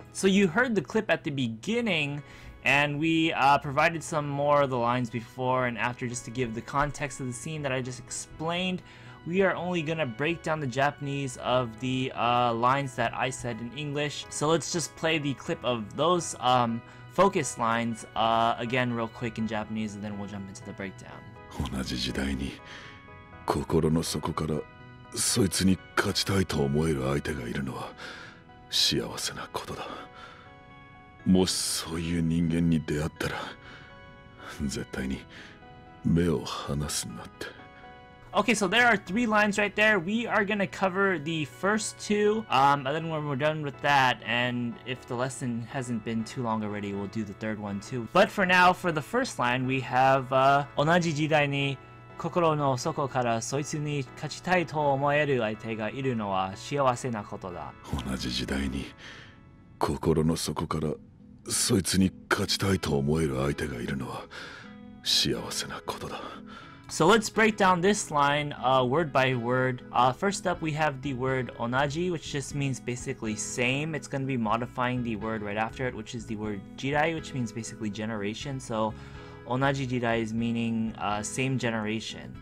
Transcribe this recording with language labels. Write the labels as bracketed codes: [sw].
[en] So you heard the clip at the beginning, and we provided some more of the lines before and after just to give the context of the scene that I just explained. We are only gonna break down the Japanese of the lines that I said in English. So let's just play the clip of those focus lines again real quick in Japanese, and then we'll jump into the breakdown. [ja] 同じ時代に心の底からそいつに勝ちたいと思える相手がいるのは幸せなことだ。もしそういう人間に出会ったら絶対に目を離すなって。 [en] Okay, so there are three lines right there. We are going to cover the first two, and then when we're done with that, and if the lesson hasn't been too long already, we'll do the third one too. But for now, for the first line, we have [ja] 同じ時代に心の底からそいつに勝ちたいと思える相手がいるのは幸せなことだ。同じ時代に心の底からそいつに勝ちたいと思える相手がいるのは幸せなことだ。 [en] So let's break down this line word by word. First up, we have the word onaji, which just means basically same. It's going to be modifying the word right after it, which is the word jidai, which means basically generation. So onaji jidai is meaning same generation.